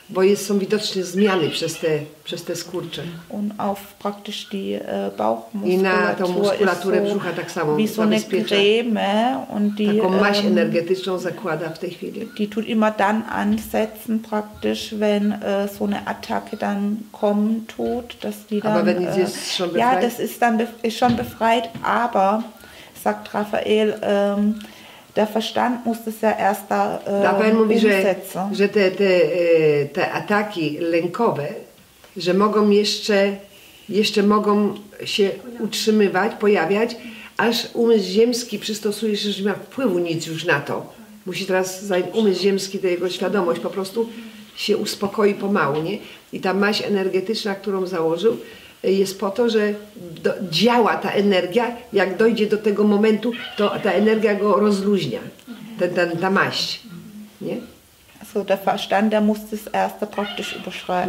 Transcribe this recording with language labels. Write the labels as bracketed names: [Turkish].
[Polish] Bo jest, są widoczne zmiany przez te skurcze. [German] Und auf praktisch die [Polish] i na tą muskulaturę brzucha tak samo [German] wie so [Polish] zabezpiecza. [German] Eine Creme und die, [Polish] taką maść energetyczną zakłada w tej chwili. [German] Die tut immer dann ansetzen praktisch, wenn so eine Attacke dann kommen tut, dass die dann, aber wenn sie ist schon befreit? Ja, das ist dann ist schon befreit, aber, sagt Raphael, der Verstand muss das ja erst da umsetzen. [Polish] Że te ataki lękowe, że mogą jeszcze mogą się utrzymywać, pojawiać, aż umysł ziemski przystosuje się, że nie ma wpływu nic już na to. Musi teraz umysł ziemski, ta jego świadomość po prostu się uspokoi pomału, nie? I ta maść energetyczna, którą założył, jest po to, że działa ta energia, jak dojdzie do tego momentu, to ta energia go rozluźnia, ta maść, nie? [German] So, der Verstand, der muss das erste praktisch überschreiten.